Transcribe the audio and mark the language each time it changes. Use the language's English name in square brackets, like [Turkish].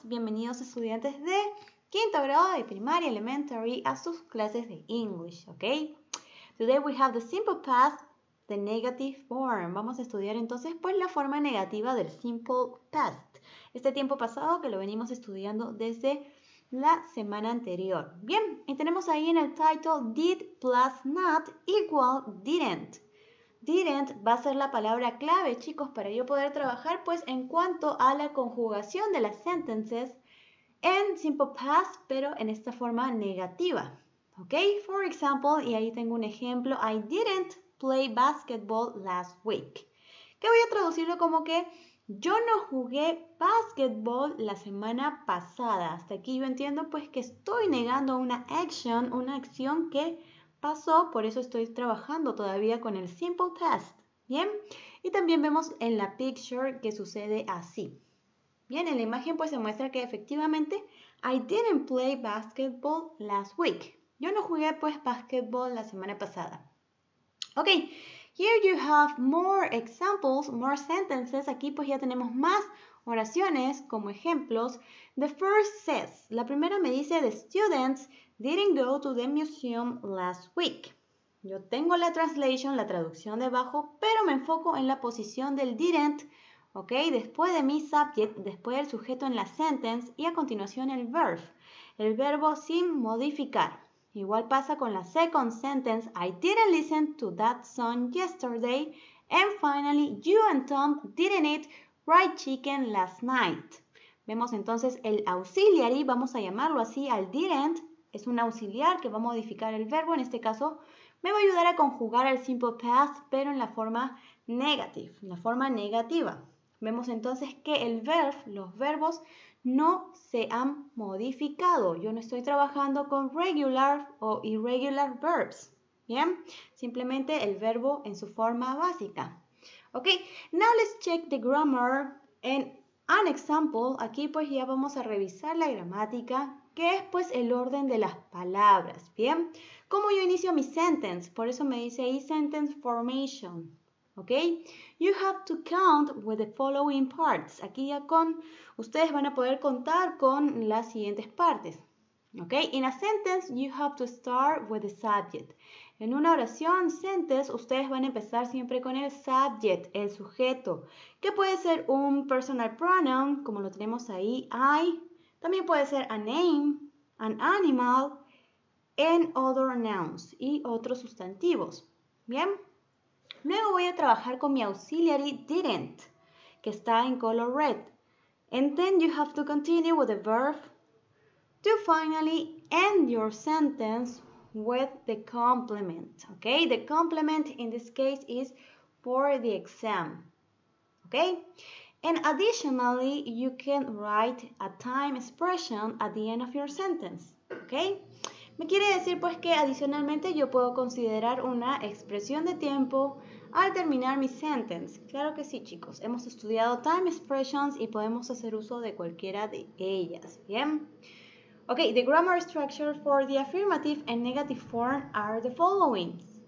[Spanish] Bienvenidos estudiantes de quinto grado de primaria elementary a sus clases de English, ¿ok? [English] Today we have the simple past, the negative form. [Spanish] Vamos a estudiar entonces pues la forma negativa del simple past. Este tiempo pasado que lo venimos estudiando desde la semana anterior. Bien, y tenemos ahí en el title [English] did plus not equal didn't. [Spanish] Didn't va a ser la palabra clave, chicos, para yo poder trabajar, pues, en cuanto a la conjugación de las sentences en simple past, pero en esta forma negativa. ¿Ok? [English] For example, [Spanish] y ahí tengo un ejemplo, [English] I didn't play basketball last week. [Spanish] Que voy a traducirlo como que yo no jugué basketball la semana pasada. Hasta aquí yo entiendo, pues, que estoy negando una acción que pasó, por eso estoy trabajando todavía con el simple past, ¿bien? Y también vemos en la picture que sucede así. Bien, en la imagen pues se muestra que efectivamente [English] I didn't play basketball last week. [Spanish] Yo no jugué pues basketball la semana pasada. [English] Ok, here you have more examples, more sentences. [Spanish] Aquí pues ya tenemos más oraciones como ejemplos. [English] The first says, [Spanish] la primera me dice [English] the students didn't go to the museum last week. [Spanish] Yo tengo la translation, la traducción debajo, pero me enfoco en la posición del didn't, ¿ok? Después de mi subject, después del sujeto en la sentence y a continuación el verbo sin modificar. Igual pasa con la [English] second sentence, I didn't listen to that song yesterday. And finally, you and Tom didn't eat fried chicken last night. [Spanish] Vemos entonces el auxiliary, vamos a llamarlo así, al didn't. Es un auxiliar que va a modificar el verbo. En este caso, me va a ayudar a conjugar el simple past, pero en la forma negative, en la forma negativa. Vemos entonces que el verbo, los verbos, no se han modificado. Yo no estoy trabajando con regular o irregular verbs. ¿Bien? Simplemente el verbo en su forma básica. [English] Ok, now let's check the grammar and an example. [Spanish] Aquí pues ya vamos a revisar la gramática. ¿Qué es, pues, el orden de las palabras? ¿Bien? ¿Cómo yo inicio mi sentence? Por eso me dice ahí sentence formation. ¿Ok? [English] You have to count with the following parts. [Spanish] Aquí ya con, ustedes van a poder contar con las siguientes partes. ¿Ok? [English] In a sentence, you have to start with the subject. [Spanish] En una oración, sentence, ustedes van a empezar siempre con el subject, el sujeto. Que puede ser un personal pronoun, como lo tenemos ahí, I. También puede ser [English] a name, an animal, and other nouns [Spanish] y otros sustantivos. ¿Bien? Luego voy a trabajar con mi auxiliary didn't, que está en color red. [English] And then you have to continue with the verb to finally end your sentence with the complement. ¿Ok? The complement in this case is for the exam. ¿Ok? And additionally, you can write a time expression at the end of your sentence, ¿ok? [Spanish] Me quiere decir, pues, que adicionalmente yo puedo considerar una expresión de tiempo al terminar mi sentence. Claro que sí, chicos. Hemos estudiado time expressions y podemos hacer uso de cualquiera de ellas, ¿bien? [English] Ok, the grammar structure for the affirmative and negative form are the following.